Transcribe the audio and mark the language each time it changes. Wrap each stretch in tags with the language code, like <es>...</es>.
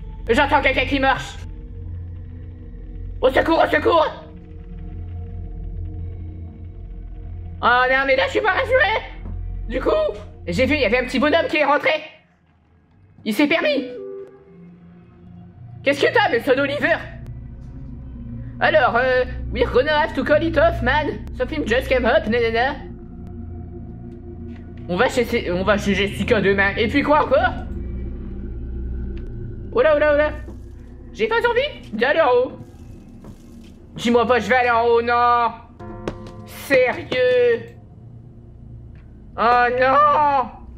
<fr>J'entends quelqu'un qui marche. Au secours, au secours! Oh non, mais là, je suis pas rassurée! Du coup, j'ai vu, il y avait un petit bonhomme qui est rentré. Il s'est permis. Qu'est-ce que t'as, Monsieur Oliver?</fr> <en>Alors, we're gonna have to call it off, man. Something just came up, nanana.</en> <fr>On va chez Jessica demain. Et puis quoi encore? Oula, oula, oula. J'ai pas envie d'aller en haut. Dis-moi pas, je vais aller en haut, non. Sérieux? Oh non!</fr>